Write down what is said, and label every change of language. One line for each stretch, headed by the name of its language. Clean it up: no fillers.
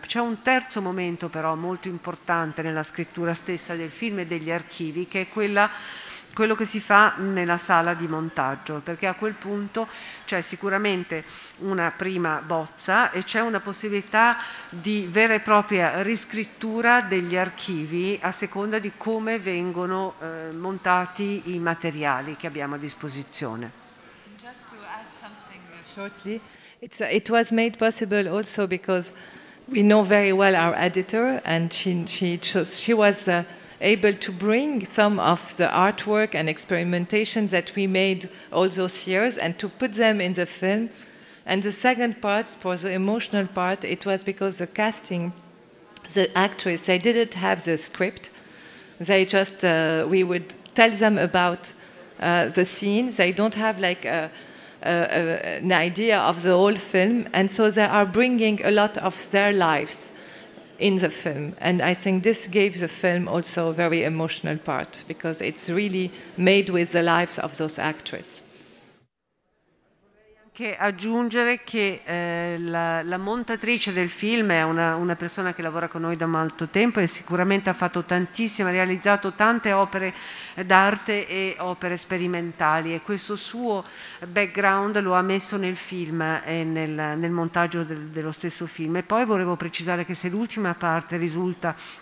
Italian: C'è un terzo momento però molto importante nella scrittura stessa del film e degli archivi, che è quello che si fa nella sala di montaggio, perché a quel punto c'è sicuramente una prima bozza e c'è una possibilità di vera e propria riscrittura degli archivi a seconda di come vengono montati i materiali che abbiamo a disposizione.
English: Just to add something shortly, it was made possible also because we know very well our editor, and she was able to bring some of the artwork and experimentations that we made all those years and to put them in the film. And the second part, for the emotional part, it was because the casting, the actress, they didn't have the script. They just, we would tell them about the scenes. They don't have like an idea of the whole film. And so they are bringing a lot of their lives in the film, and I think this gave the film also a very emotional part, because it's really made with the lives of those actresses.
Italian: Che aggiungere che la montatrice del film è una persona che lavora con noi da molto tempo, e sicuramente ha fatto tantissimo, ha realizzato tante opere d'arte e opere sperimentali, e questo suo background lo ha messo nel film e nel montaggio dello stesso film. E poi volevo precisare che se l'ultima parte risulta